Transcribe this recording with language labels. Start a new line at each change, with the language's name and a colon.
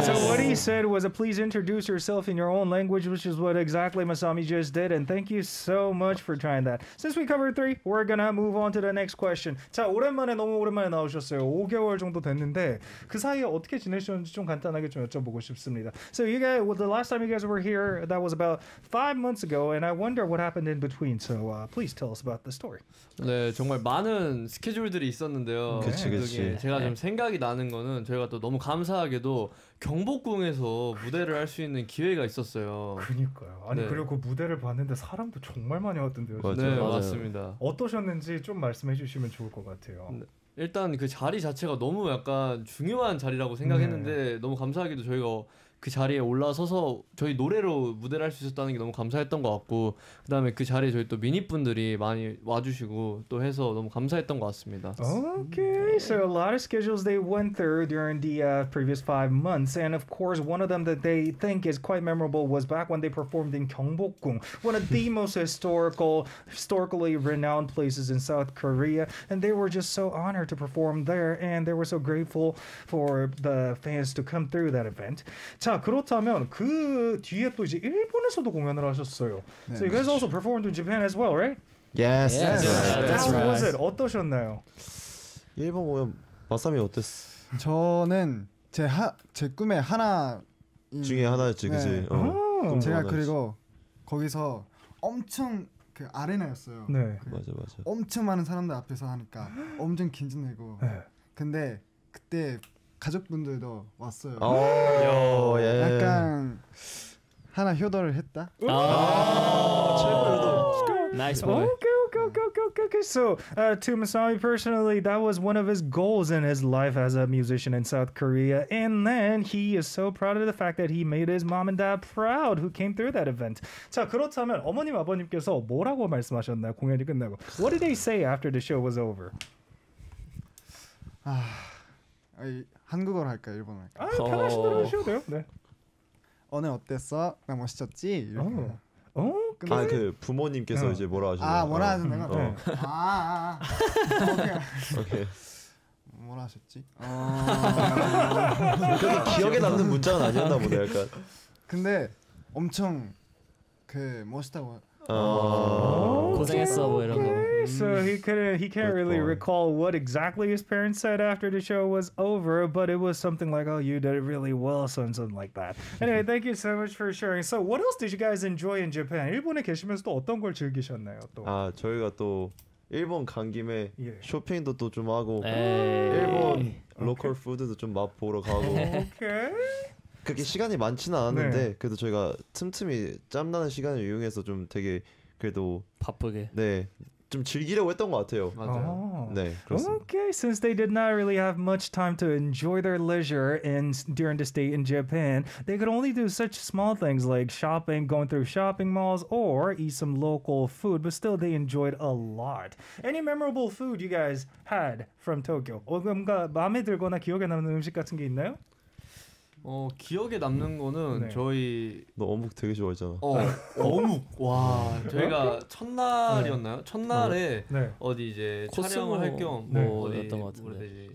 English: So what he said was, please introduce yourself in your own language, which is what exactly Masami just did. And thank you so much for trying that. Since we covered three, we're gonna move on to the next question.
Korean: 자, 오랜만에 너무 오랜만에 나오셨어요. 5개월 정도 됐는데 그 사이에 어떻게 지내셨는지 좀 간단하게 좀 여쭤보고 싶습니다.
English: So you guys, well, the last time you guys were here, that was about 5 months ago, and I wonder what happened in between. So please tell us about the story.
Korean: 네, 정말 많은 스케줄들이 있었는데요. 그치, 그치. 제가 좀 생각이 나는 거는 저희가 또 너무 감사하게도 경복궁에서 무대를 할 수 있는 기회가 있었어요. 그니까요. 아니 네. 그리고 그 무대를 봤는데 사람도 정말 많이 왔던데요. 맞아요. 네, 맞아요. 맞습니다. 어떠셨는지 좀 말씀해 주시면 좋을 것 같아요. 일단 그 자리 자체가 너무 약간 중요한 자리라고 생각했는데 네. 너무 감사하게도 저희가 그 자리에 올라서서 저희 노래로 무대를 할 수 있었다는 게 너무 감사했던 것 같고 그 다음에 그 자리에 저희 또 미니분들이 많이 와주시고 또 해서 너무 감사했던 것 같습니다.
English: Okay, so a lot of schedules they went through during the previous 5 months and of course one of them that they think is quite memorable was back when they performed in Gyeongbokgung, one of the most historically renowned places in South Korea and they were just so honored to perform there and they were so grateful for the fans to come through that event.
Korean: 자 그렇다면 그 뒤에 또 이제 일본에서도 공연을 하셨어요.
English: 네, so you guys also performed in Japan as well, right? Yes. Yes. That's right. How was it?
Korean: 어떠셨나요? 일본 공연 마사미 어땠어? 저는 제 꿈의 하나인 중에 하나였지, 네. 그지? 어. 제가 하나였지. 그리고 거기서 엄청 그 아레나였어요. 네. 그 맞아 맞아. 엄청 많은 사람들 앞에서 하니까 엄청 긴장되고. 네. 근데 그때 가족분들도 왔어요. 오, 요, 예. 약간 하나 효도를 했다. 아, 최고다.
English: Nice one. Okay, so to Masami personally, that was one of his goals in his life as a musician in South Korea. And then he is so proud of the fact that he made his mom and dad proud who came through that event.
Korean: 자, 그렇다면 어머님 아버님께서 뭐라고 말씀하셨나요? 공연이 끝나고.
English: What did they say after the show was over?
Korean: 아. 한국어로 할까 일본어 할까? 아 편하신대로 하셔도 돼요. 네. 오늘 어땠어? 나 멋있었지? 이렇게. 어? 근데 아, 그 부모님께서 이제 뭐라 하시는 거예요? 아 뭐라 하시는 거? 어. 네. 아. 오케이. 오케이. 뭐라 하셨지? 그래도 기억에 남는 문장은 아니었나 보네. 약간. 근데 엄청 그 멋있다고. 고생했어 뭐 이런 거.
English: So he can't really recall what exactly his parents said after the show was over, but it was something like, "Oh, you did it really well," something like that. Anyway, thank you so much for sharing. So, what else did you guys enjoy in Japan?
Korean: 일본에 계시면서 또 어떤 걸 즐기셨나요? 또 아 저희가 또 일본 간 김에 쇼핑도 또 좀 하고 에이. 일본 로컬 okay. 푸드도 좀 맛보러 가고.
English: Okay.
Korean: 그렇게 시간이 많지는 않았는데 네. 그래도 저희가 틈틈이 짬나는 시간을 이용해서 좀 되게 그래도 바쁘게 네 좀 즐기려고 했던 것 같아요. 맞아요. 네. 그렇습니다.
English: Okay, since they did not really have much time to enjoy their leisure in during the stay in Japan, they could only do such small things like shopping, going through shopping malls, or eat some local food. But still, they enjoyed a lot. Any memorable food you guys had from Tokyo?
Korean: 뭔가 마음에 들거나 기억에 남는 음식 같은 게 있나요? 어 기억에 남는 거는 네. 저희 너 어묵 되게 좋아했잖아. 어 어묵 와 저희가 첫날이었나요? 첫날에 네. 어디 이제 촬영을 할 겸 뭐 네. 어디 갔던 것 같은데